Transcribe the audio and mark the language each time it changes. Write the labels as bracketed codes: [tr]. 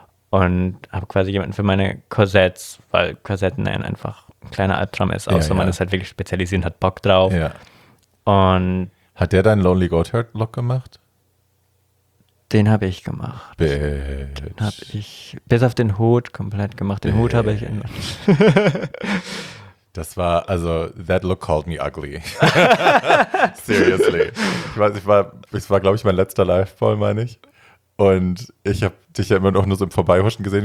[de] Und habe quasi jemanden für meine Korsetts, weil Korsetten einfach ein kleiner Albtraum ist, auch so, man ist halt wirklich spezialisiert, hat Bock drauf. Ja. Und hat der deinen Lonely Goatherd Look gemacht? Den habe ich gemacht. Bitch. Den habe ich bis auf den Hut komplett gemacht. Den Hut habe ich in. Das war, also, [en] that look called me ugly. Seriously. [de] Ich war, glaube ich, mein letzter Live-Ball, meine ich. Und ich habe dich ja immer noch nur so im Vorbeihuschen gesehen.